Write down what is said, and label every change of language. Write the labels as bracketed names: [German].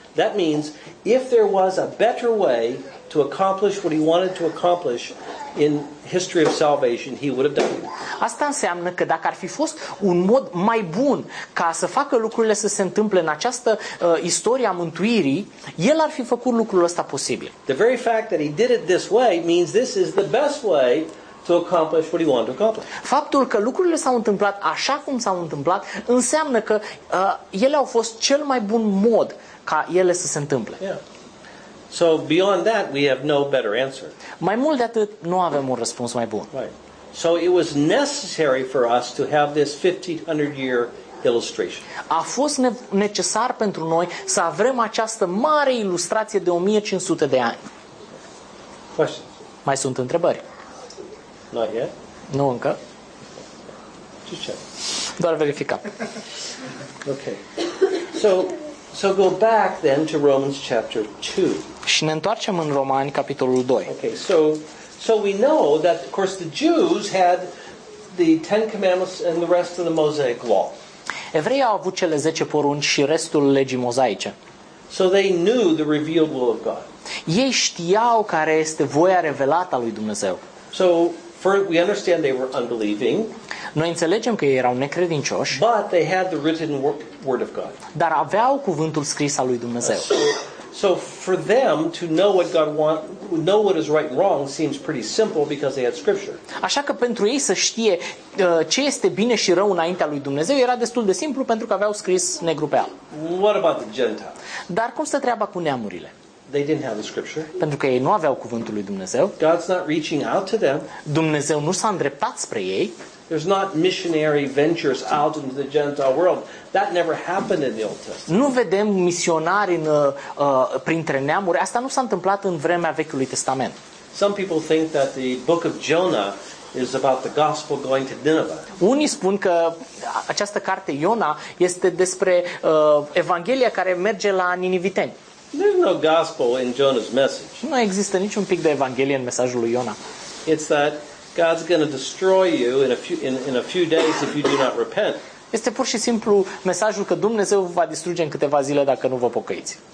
[English] That means if there was a better way to accomplish what he wanted to accomplish in history of salvation, he would have done it. [Romanian] Asta înseamnă că dacă ar fi fost un mod mai bun ca să facă lucrurile să se întâmple în această istorie a mântuirii, el ar fi făcut lucrul ăsta posibil. [English] The very fact that he did it this way means this is the best way to accomplish what he wanted to accomplish. [Romanian] Faptul că lucrurile s-au întâmplat așa cum s-au întâmplat înseamnă că ele au fost cel mai bun mod ca ele să se întâmple. [English] Yeah. So beyond that we have no better answer. [Romanian] Mai mult de atât nu avem un răspuns mai bun. [English] Right. So it was necessary for us to have this 1500 year illustration. [Romanian] A fost necesar pentru noi să avem această mare ilustrație de 1500 de ani. [English] Questions. [Romanian] Mai sunt întrebări? [English] Not yet. [Romanian] Nu încă. [English] Just check. [Romanian] Doar verifica. [English] Okay. So go back then to Romans chapter 2. [Romanian] Și ne întoarcem în Romani capitolul 2. [English] Okay, so we know that of course the Jews had the Ten Commandments and the rest of the Mosaic law. [Romanian] Evreii au avut cele 10 porunci și restul legii mozaice. [English] So they knew the revealed will of God. [Romanian] Ei știau care este voia revelată a lui Dumnezeu. [English] So first, we understand they were unbelieving. [Romanian] Noi înțelegem că ei erau necredincioși. [English] But they had the written word of God. [Romanian] Dar aveau cuvântul scris al lui Dumnezeu. [English] So for them to know what God wants, know what is right and wrong seems pretty simple because they had scripture. [Romanian] Așa că pentru ei să știe ce este bine și rău înaintea lui Dumnezeu era destul de simplu pentru că aveau scris negru pe alb. [English] What about the Gentiles? [Romanian] Dar cum stă treaba cu neamurile? [English] They didn't have the scripture. [Romanian] Pentru că ei nu aveau cuvântul lui Dumnezeu. [English] God's not reaching out to them. [Romanian] Dumnezeu nu s-a îndreptat spre ei. [English] There's not missionary ventures out into the Gentile world. That never happened in the Old Testament. [Romanian] Nu vedem misionari în printre neamuri. Asta nu s-a întâmplat în vremea Vechiului Testament. [English] Some people think that the book of Jonah is about the gospel going to Nineveh. [Romanian] Unii spun că această carte Iona este despre evanghelia care merge la niniviteni. [English] There's no gospel in Jonah's message. [Romanian] Nu există niciun pic de evanghelie în mesajul lui Iona. [English] It's that God's going to destroy you in a few days if you do not repent. [Romanian] Este pur și simplu mesajul că Dumnezeu vă va distruge în câteva zile dacă nu vă pocăiți.